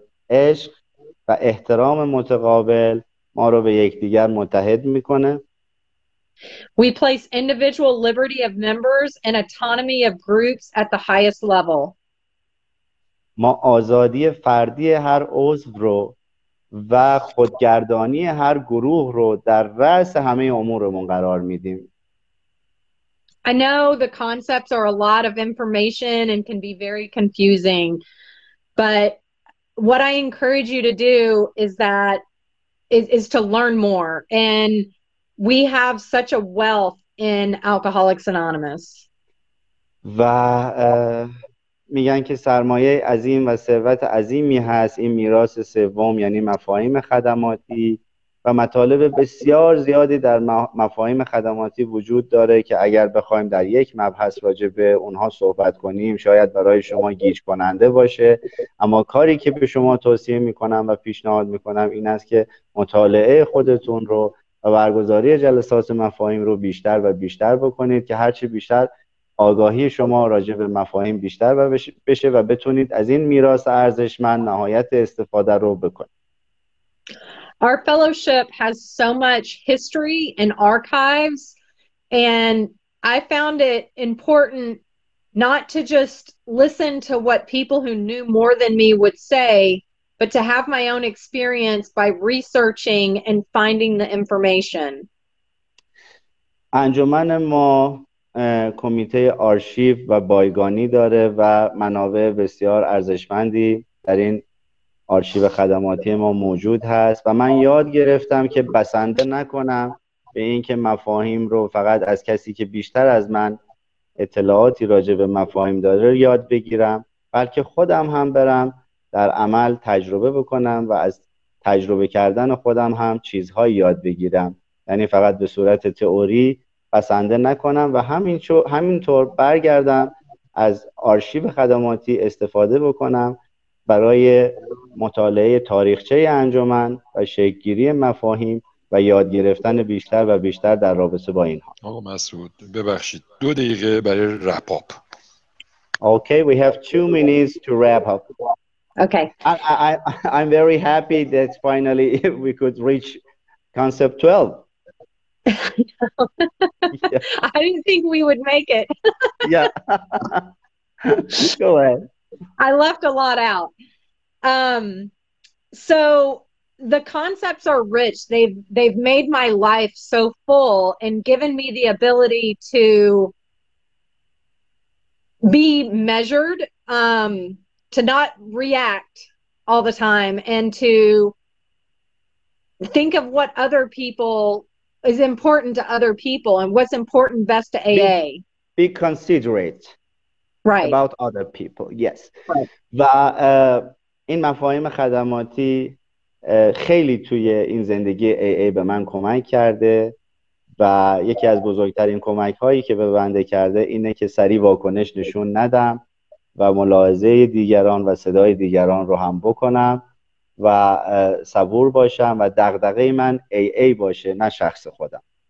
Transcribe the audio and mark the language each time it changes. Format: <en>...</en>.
<fa>عشق و احترام متقابل ما رو به یکدیگر متحد میکنه.</fa> <en>We place individual liberty of members and autonomy of groups at the highest level.</en> <fa>ما آزادی فردی هر عضو رو و خودگردانی هر گروه رو در رأس همه امورمون قرار میدیم.</fa> <en>I know the concepts are a lot of information and can be very confusing, but what I encourage you to do is to learn more, and we have such a wealth in Alcoholics Anonymous.</en> <fa>و میگن که سرمایه عظیم و ثروت عظیمی هست این میراث سوم، یعنی مفاهیم خدماتی، و مطالب بسیار زیادی در مفاهیم خدماتی وجود داره که اگر بخوایم در یک مبحث راجع به اونها صحبت کنیم شاید برای شما گیج کننده باشه، اما کاری که به شما توصیه میکنم و پیشنهاد میکنم این است که مطالعه خودتون رو و برگزاری جلسات مفاهیم رو بیشتر و بیشتر بکنید که هرچی بیشتر آگاهی شما راجع به مفاهیم بیشتر و بشه و بتونید از این میراث ارزشمند نهایت استفاده رو بکنید.</fa> <en>Our fellowship has so much history and archives, and I found it important not to just listen to what people who knew more than me would say, but to have my own experience by researching and finding the information.</en> <fa>انجمن ما کمیته آرشیو و بایگانی داره و منابع بسیار ارزشمندی در این آرشیو خدماتی ما موجود هست و من یاد گرفتم که بسنده نکنم به اینکه مفاهیم رو فقط از کسی که بیشتر از من اطلاعاتی راجع به مفاهیم داره یاد بگیرم، بلکه خودم هم برم در عمل تجربه بکنم و از تجربه کردن خودم هم چیزهای یاد بگیرم، یعنی فقط به صورت تئوری بسنده نکنم و همینطور برگردم از آرشیو خدماتی استفاده بکنم برای مطالعه تاریخچه انجمن و شکل‌گیری مفاهیم و یاد گرفتن بیشتر و بیشتر در رابطه با اینها. آقا مسعود ببخشید 2 دقیقه برای رپ اپ.</fa> <en>Okay, we have 2 minutes to wrap up. Okay. I'm very happy that finally we could reach concept 12. Yeah. I didn't think we would make it. Yeah. Go ahead. I left a lot out. So the concepts are rich. They've made my life so full and given me the ability to be measured, to not react all the time and to think of what other people is important to other people and what's important best to AA. Be considerate. Right. About other people, yes. Right.</en> <fa>و این مفاهیم خدماتی خیلی توی این زندگی AA به من کمک کرده و یکی از بزرگترین کمک هایی که به بنده کرده اینه که سری واکنش نشون ندم و ملاحظه دیگران و صدای دیگران رو هم بکنم و صبور باشم و دغدغه من AA باشه نه شخص خودم.</fa>